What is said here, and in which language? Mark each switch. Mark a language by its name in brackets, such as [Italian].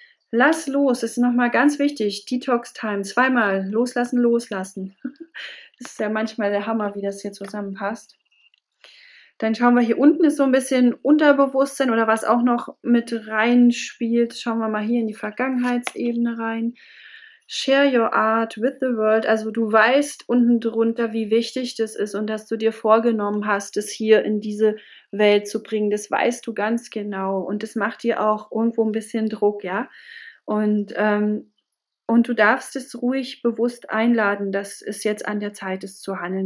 [German] Lass los, das ist nochmal ganz wichtig, Detox-Time, zweimal, loslassen, loslassen. Das ist ja manchmal der Hammer, wie das hier zusammenpasst. Dann schauen wir hier unten, ist so ein bisschen Unterbewusstsein oder was auch noch mit rein spielt. Schauen wir mal hier in die Vergangenheitsebene rein. [English] Share your art with the world. [German] Also du weißt unten drunter, wie wichtig das ist und dass du dir vorgenommen hast, es hier in diese Welt zu bringen. Das weißt du ganz genau und das macht dir auch irgendwo ein bisschen Druck, ja. Und du darfst es ruhig bewusst einladen, dass es jetzt an der Zeit ist zu handeln.